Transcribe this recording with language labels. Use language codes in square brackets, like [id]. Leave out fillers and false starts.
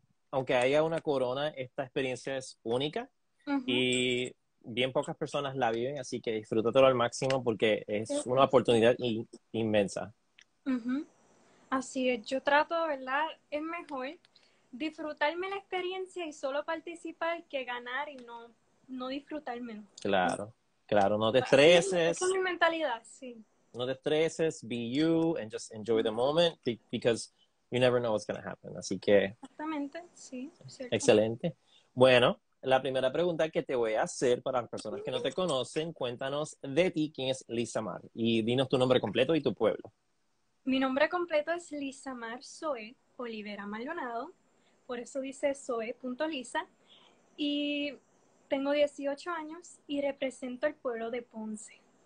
[es] Aunque haya una corona, esta experiencia es única. Y bien pocas personas la viven, así que disfrútatelo al máximo porque es una oportunidad inmensa. Así es, yo trato, ¿verdad? Es mejor disfrutarme la experiencia y solo participar que ganar y no disfrutármelo. Claro, no te Así, esa es estreses. mi mentalidad, sí. No te estreses, [en] be you and just enjoy the moment because you never know what's going to happen. [es] Así que, Exactamente, sí, cierto. excelente. Bueno. La primera pregunta que te voy a hacer para las personas que no te conocen, cuéntanos de ti, quién es Lisa Mar y dinos tu nombre completo y tu pueblo. Mi nombre completo es Lisa Mar Zoe Olivera Maldonado, por eso dice Zoe.Lisa, y tengo 18 años y represento el pueblo de Ponce.